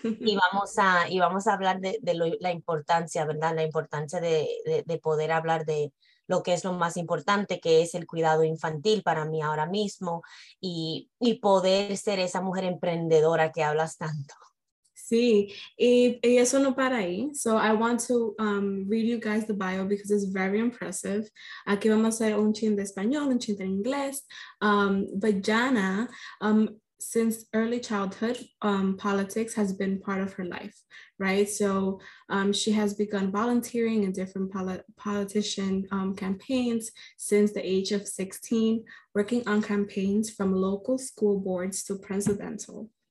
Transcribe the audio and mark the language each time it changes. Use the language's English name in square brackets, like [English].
[Spanish] Y vamos a hablar de la importancia, ¿verdad? La importancia de poder hablar de lo que es lo más importante, que es el cuidado infantil para mí ahora mismo y poder ser esa mujer emprendedora que hablas tanto. Sí, y eso no para ahí. [English] So I want to read you guys the bio because it's very impressive. [Spanish] Aquí vamos a hacer un chin de español, un chin de inglés. [English] But Janna, since early childhood, politics has been part of her life, right? So she has begun volunteering in different politician campaigns since the age of 16, working on campaigns from local school boards to presidential.